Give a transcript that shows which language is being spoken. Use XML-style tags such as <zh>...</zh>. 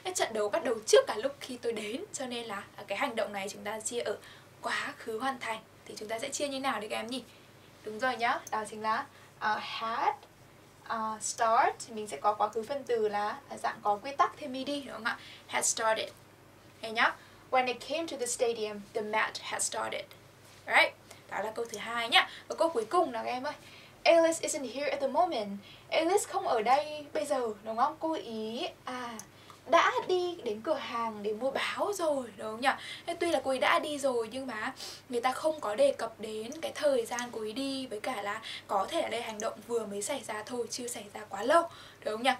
<vi>Trận đấu bắt đầu trước cả lúc khi tôi đến, cho nên là cái hành động này chúng ta chia ở quá khứ hoàn thành. Thì chúng ta sẽ chia như nào đấy các em nhỉ? Đúng rồi nhá, đó chính là had, start, mình sẽ có quá khứ phân từ là dạng có quy tắc thêm đi, đúng không ạ? Had started, hay nhá.</vi> <en>When I came to the stadium, the match had started.</en> <vi>Right? Đó là câu thứ hai nhá. Và câu cuối cùng nào các em ơi. Alice isn't here at the moment. Alice không ở đây bây giờ, đúng không? Cô ý đã đi đến cửa hàng để mua báo rồi, đúng không nhỉ? Tuy là cô ấy đã đi rồi nhưng mà người ta không có đề cập đến cái thời gian cô ấy đi, với cả là có thể ở đây hành động vừa mới xảy ra thôi, chưa xảy ra quá lâu, đúng không nhỉ?</vi>